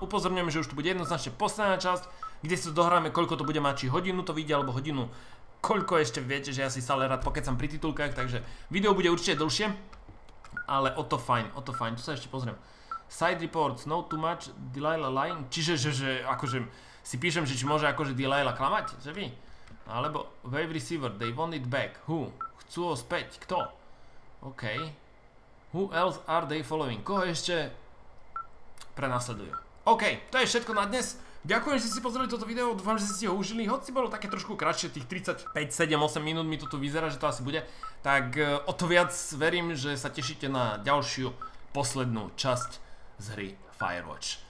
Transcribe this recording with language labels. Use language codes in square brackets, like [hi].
[sk] Upozorňujem, že už to bude jednoznačne posledná časť, kde si to dohráme, koľko to bude mať, či hodinu to vyjde, alebo hodinu. Koľko ešte viete, že ja si stále rád pokecam pri titulkách, takže video bude určite dlhšie, ale o to fajn, tu sa ešte pozriem. [en] Side reports, no too much, [sk] Delilah lying, čiže že akože si píšem, že či môže akože Delilah klamať, že vy? Alebo [en] wave receiver, they want it back, who? [sk] Chcú ho späť, kto? [en] OK. Who else are they following? [sk] Koho ešte prenasledujú? OK, to je všetko na dnes. Ďakujem, že ste si pozreli toto video, dúfam, že ste si ho užili, hoci bolo také trošku kratšie, tých 35-7-8 minút mi to tu vyzerá, že to asi bude, tak o to viac verím, že sa tešíte na ďalšiu poslednú časť z hry Firewatch.